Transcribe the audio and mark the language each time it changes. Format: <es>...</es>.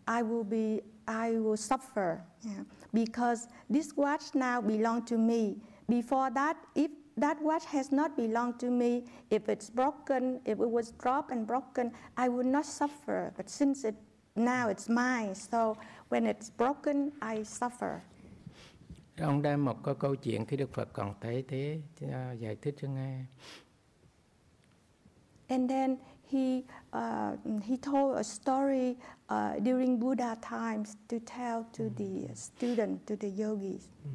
<en>I will suffer, because this watch now belongs to me. Before that, if that watch has not belonged to me, if it's broken, if it was dropped and broken, I would not suffer. But since it now it's mine, so when it's broken, I suffer.</en> <vi>Ông đem một cái câu chuyện khi Đức Phật còn thấy thế giải thích cho nghe.</vi> <en>And then he told a story during Buddha times to tell to the student, to the yogis.</en>